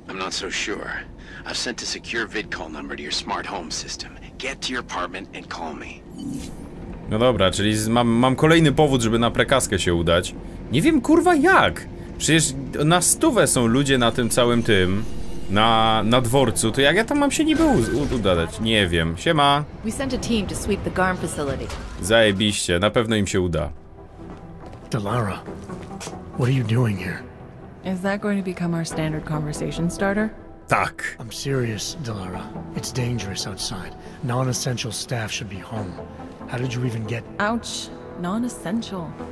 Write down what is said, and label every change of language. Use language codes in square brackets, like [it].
[en] I've sent a secure vidcall number to your smart home system. Get to your apartment and call me. [pl] No dobra, czyli mam kolejny powód, żeby na prekaskę się udać. Nie wiem, kurwa, jak. Przecież na stówę są ludzie na tym całym tym na dworcu. To jak ja tam mam się niby udać? Nie wiem. Siema. [en] We sent a team to sweep the Garm facility. [pl] Zajebiście, na pewno im się uda. [en] Delara, what are you doing here? Is that going to become our standard conversation starter? [pl] Tak. [en] I'm serious, Delara. It's dangerous outside. Non-essential staff should be home. How did you even get... Ouch. Non-essential.